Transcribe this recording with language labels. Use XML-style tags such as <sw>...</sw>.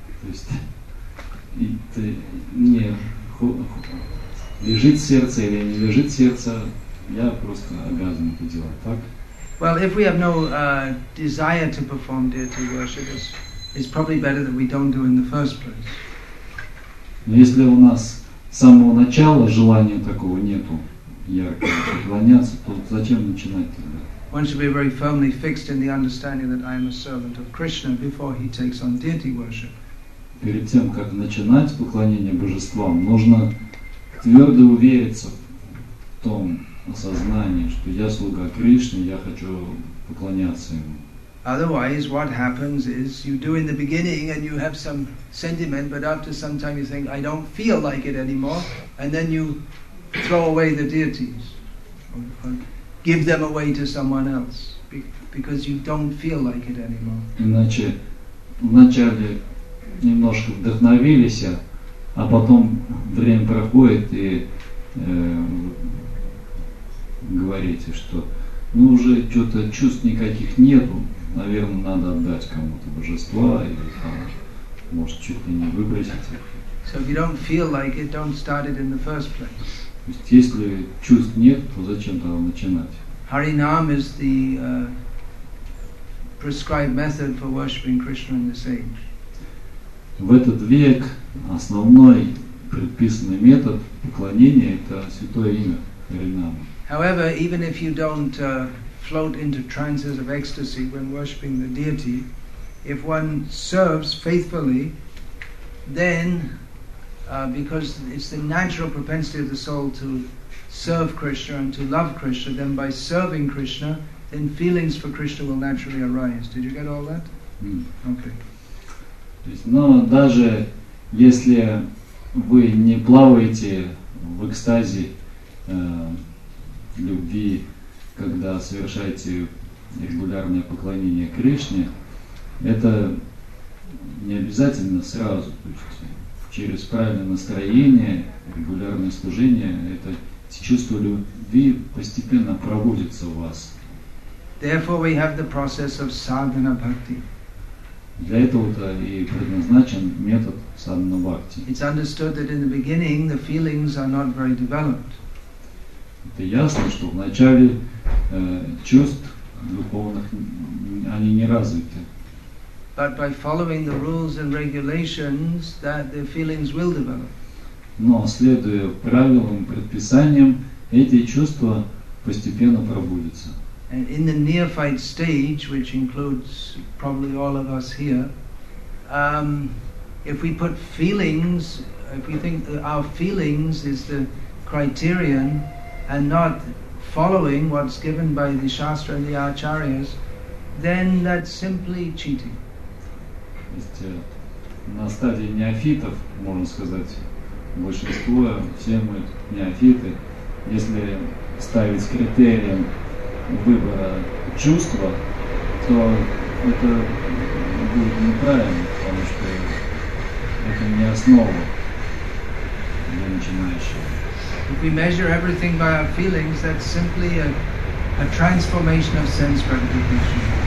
<ru>То есть, мне лежит сердце или не лежит сердце, я просто обязан это делать, так?</ru> <en>Well, if we have no desire to perform deity worship, it's probably better that we don't do in the first place.</en> <ru>Но если у нас с самого начала желания такого нету, яркого, поклоняться, то зачем начинать тогда?</ru> <en>One should be very firmly fixed in the understanding that I am a servant of Krishna before he takes on deity worship.</en> <ru>Перед тем, как начинать поклонение божествам, нужно твердо увериться в том осознании, что я слуга Кришны, я хочу поклоняться ему.</ru> <en>Otherwise, what happens is you do in the beginning and you have some sentiment, but after some time you think, I don't feel like it anymore, and then you throw away the deities. Give them away to someone else because you don't feel like it anymore.</en> <ru>Иначе вначале немножко вдохновились, а потом время проходит и говорите, что ну уже что-то чувств никаких нету, наверное, надо отдать кому-то божества или там, может чуть ли не выбросить.</ru> <en>So if you don't feel like it, don't start it in the first place.</en> <ru>То есть, если чувств нет, то зачем тогда начинать?</ru> <en>Харинам is the prescribed method for worshipping Krishna in this age.</en> <ru>В этот век основной предписанный метод поклонения – это святое имя Харинама.</ru> <en>However, even if you don't float into trances of ecstasy when worshipping the deity, if one serves faithfully, then because it's the natural propensity of the soul to serve Krishna and to love Krishna, then by serving Krishna, then feelings for Krishna will naturally arise. Did you get all that? Mm. Okay.</en> <ru>То есть, но даже если вы не плаваете в экстазе любви, когда совершаете регулярное поклонение Кришне, это не обязательно сразу. То есть, через правильное настроение, регулярное служение, это чувство любви постепенно пробудится у вас.</ru> <en>Therefore we have the process of sadhana bhakti.</en> <ru>Для этого-то и предназначен метод sadhana bhakti.</ru> <en>It's understood that in the beginning the feelings are not very developed.</en> <ru>Это ясно, что в начале чувств духовных они не развиты.</ru> <en>But by following the rules and regulations, that the feelings will develop.</en> <ru>Но следуя правилам и предписаниям, эти чувства постепенно пробудятся.</ru> <en>And in the neophyte stage, which includes probably all of us here, if we put feelings, if we think that our feelings is the criterion, and not following what's given by the Shastra and the Acharyas, then that's simply cheating.</en> <ru>То есть на стадии неофитов, можно сказать, большинство, все мы неофиты, если ставить критерием выбора чувства, то это будет неправильно, потому что это не основа для начинающего.</ru> <en>If we measure everything by our feelings, that's simply a transformation of sense gratification.</en>